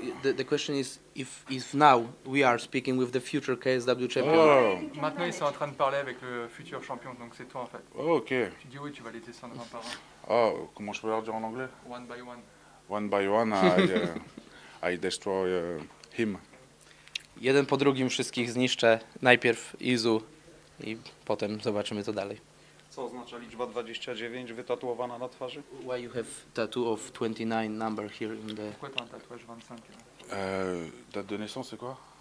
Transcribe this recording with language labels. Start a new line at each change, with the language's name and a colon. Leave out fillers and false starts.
English: The question is if now we are speaking with the future KSW champion. Oh.
French: Maintenant ils sont en train de parler avec le futur champion, donc c'est toi en fait.
English: Oh, ok.
French: Tu dis oui, tu vas les descendre un par un. Oh, comment je peux leur dire en anglais?
English: One by one. One by one, I destroy him.
Polish: Jeden po drugim wszystkich zniszczę, najpierw Izu i potem zobaczymy to dalej. Co oznacza liczba 29 wytatuowana na twarzy?
English: Why you have tattoo of 29 number here in the...
French: Pourquoi t'as un tatouage 25? Date de naissance, c'est quoi?